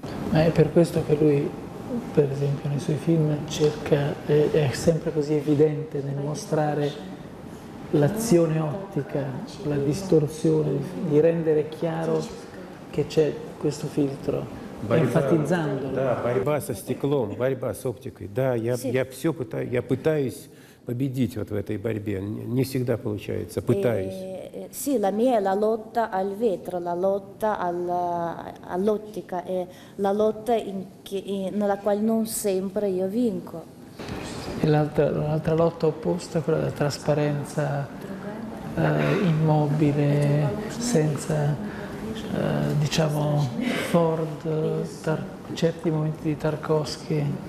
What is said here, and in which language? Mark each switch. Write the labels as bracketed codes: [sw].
[it] Ma è per questo che lui, per esempio, nei suoi film cerca, è sempre così evidente nel mostrare l'azione ottica, la distorsione, di rendere chiaro che c'è questo filtro. Enfatizzando. [ru] Да, борьба со стеклом, борьба с оптикой. Да, я все пытаюсь, я пытаюсь победить вот в этой борьбе. Не всегда получается. Пытаюсь. [it] Sì, la mia è la lotta al vetro, la lotta all'ottica, e la lotta nella quale non sempre io vinco. E l'altra lotta opposta, quella della trasparenza immobile, senza, diciamo, Ford, certi momenti di Tarkovsky.